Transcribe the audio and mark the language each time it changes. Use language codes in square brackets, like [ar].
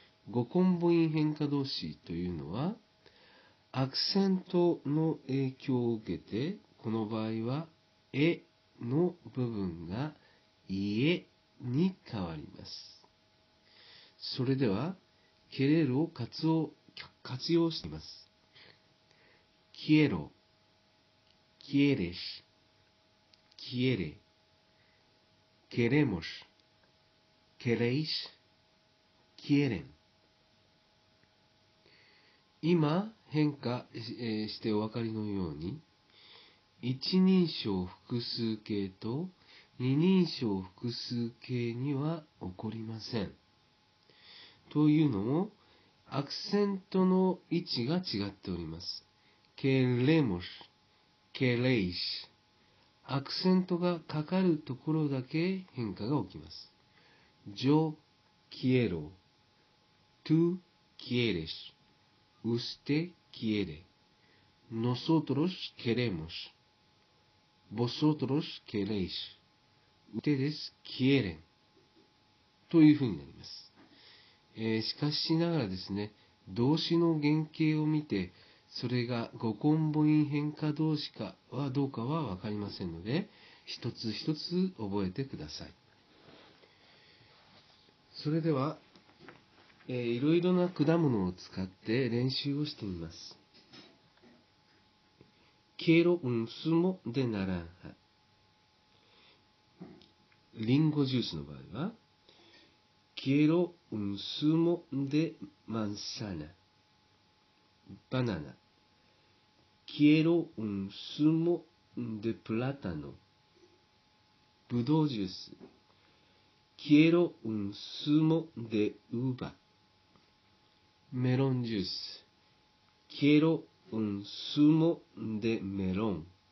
[ja] 語根母音変化動詞というのはアクセントの影響を受けて、この場合は、えの部分が、いえに変わります。それでは、ケレルを活用しています。 [es] quiero, quieres, quiere, queremos, queréis, quieren。 [ja] 今、変化してお分かりのように、一人称複数形と二人称複数形には起こりません。というのも、アクセントの位置が違っております。 [es] queremos, queréis。 [ja] アクセントがかかるところだけ変化が起きます。 [es] yo quiero, tú quieres, usted quiere, nosotros queremos, vosotros queréis, ustedes quieren [ja] というふうになります。しかしながらですね、動詞の原型を見てそれが語根母音変化動詞かはどうかは分かりませんので、一つ一つ覚えてください。それでは、いろいろな果物を使って練習をしてみます。 [es] Quiero un zumo de naranja. [ja] リンゴジュースの場合は、 [es] Quiero un zumo de manzana. [ja] バナナ。 [es] Quiero un zumo de plátano. ブドウジュース。Quiero un zumo de uva. メロンジュース。Quiero un zumo de melón.